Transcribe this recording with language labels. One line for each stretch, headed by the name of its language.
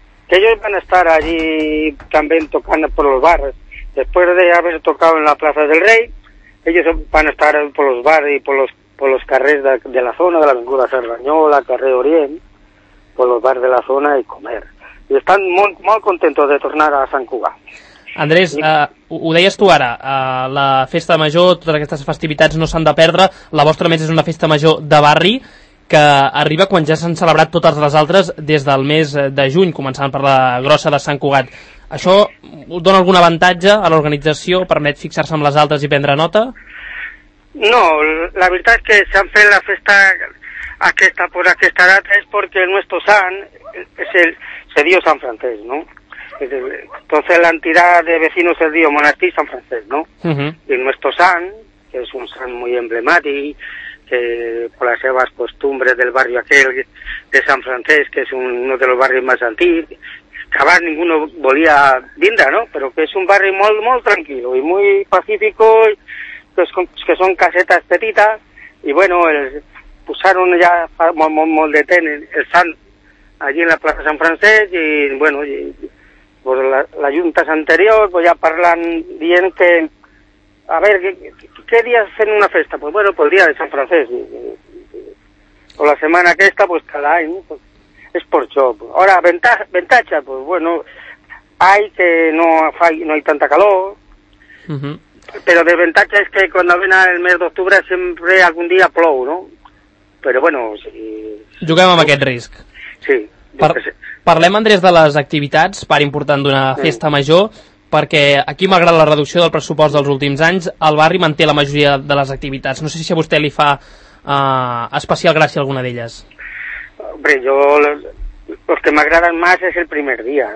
Spanish: Que ellos van a estar allí también tocando por los bares. Después de haber tocado en la Plaza del Rey, ellos van a estar por los bares y por los carrés de la zona, de la Avenida Sardañola, Carré Orient, por los bares de la zona y comer. Y están muy, muy contentos de tornar a Sant Cugat.
Catalan: Andrés, ho deies tu ara, la festa major, totes aquestes festivitats no s'han de perdre, la vostra més és una festa major de barri que arriba quan ja s'han celebrat totes les altres des del mes de juny, començant per la grossa de Sant Cugat. Això dona algun avantatge a l'organització, permet fixar-se en les altres i prendre nota? No, la veritat és que s'han fet la festa aquesta per aquesta data és perquè el nostre sant és el dio Sant Francesc, no?
Spanish: Entonces la entidad de vecinos es Dios Monastir San Francisco, ¿no? Uh-huh. Y nuestro san, que es un san muy emblemático, que por las nuevas costumbres del barrio aquel de San Francisco, que es uno de los barrios más antiguos,
Catalan: que abans ningú no volia vindre, no? Però que és un barri molt, molt tranquil i molt pacífic, que són casetes petites, i bueno, els posaron ja fa molt, molt, molt de temps el sant allí en la plaça Sant Francesc, i bueno, i, pues, la junta anterior, pues, ja parlant, dient que, a veure, què dia fent una festa? Pues bueno, pues, el dia de Sant Francesc, o la setmana aquesta, pues cada any, pues, és per això. Ara, ventatge, pues bueno, hay que no fa, no hay tanta calor, però desventatge és que quan ven el mes d'octubre sempre algun dia plou, no? Però bueno, si... Juguem amb aquest risc. Sí. Parlem, Andrés, de les activitats, part important d'una festa major, perquè aquí, malgrat la reducció del pressupost dels últims anys, el barri manté la majoria de les activitats. No sé si a vostè li fa especial gràcia alguna d'elles.
Spanish: Hombre, yo, los que me agradan más es el primer día.